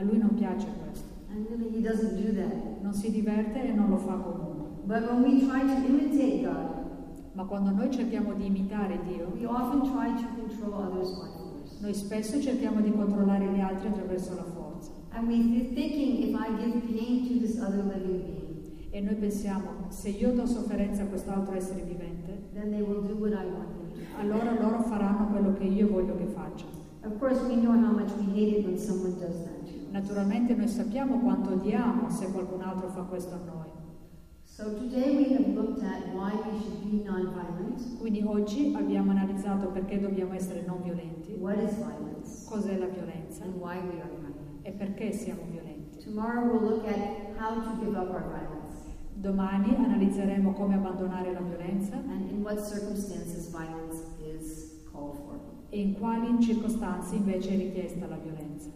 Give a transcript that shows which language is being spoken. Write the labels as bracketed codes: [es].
[it] A lui non piace questo. [en] And really he doesn't do that. [it] Non si diverte e non lo fa comunque. [en] But when we try to imitate God, [it] ma quando noi cerchiamo di imitare Dio, [en] we often try to control others by force. [it] Noi spesso cerchiamo di controllare gli altri attraverso la forza. [en] And we thinking if I give pain to this other living being, [it] e noi pensiamo se io do sofferenza a quest'altro essere vivente, [en] then they will do what I want them to. [it] Allora loro faranno quello che io voglio che facciano. [en] Of course we know how much we hate it when someone does that. [it] Naturalmente noi sappiamo quanto odiamo se qualcun altro fa questo a noi. [en] So today we have looked at why we should be non-violent. [it] Quindi oggi abbiamo analizzato perché dobbiamo essere non violenti. [en] What is violence? [it] Cos'è la violenza? [en] And why we are violent. [it] E perché siamo violenti? [en] Tomorrow we'll look at how to give up our violence. [it] Domani analizzeremo come abbandonare la violenza. [en] And in what circumstances violence is called for. [it] E in quali circostanze invece è richiesta la violenza.